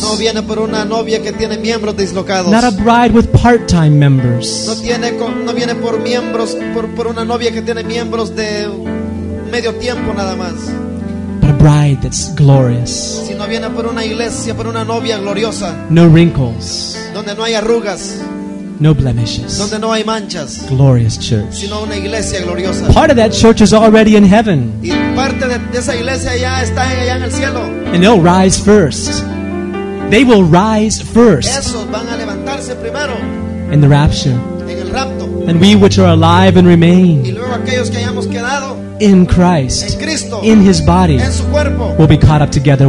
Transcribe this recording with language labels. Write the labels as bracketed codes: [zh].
[en] Not a bride with part-time members. Bride that's glorious. [es] Si no viene por una iglesia, por una novia gloriosa. [en] No wrinkles. [es] Donde no hay arrugas. [en] No blemishes. [es] Donde no hay manchas. [en] Glorious church. [es] Sino una iglesia gloriosa. [en] Part of that church is already in heaven. [es] Y parte de esa iglesia ya está allá en el cielo. [en] And they'll rise first. They will rise first. [es] Esos van a levantar. levantarse primero. [en] In the rapture. [es] En el rapto. [en] And we which are alive and remain. [es] Y luego aquellos que hayamos quedado. [en] In Christ. [es] En Cristo. [en] In His body. [es] En su cuerpo. [en] Will be caught up together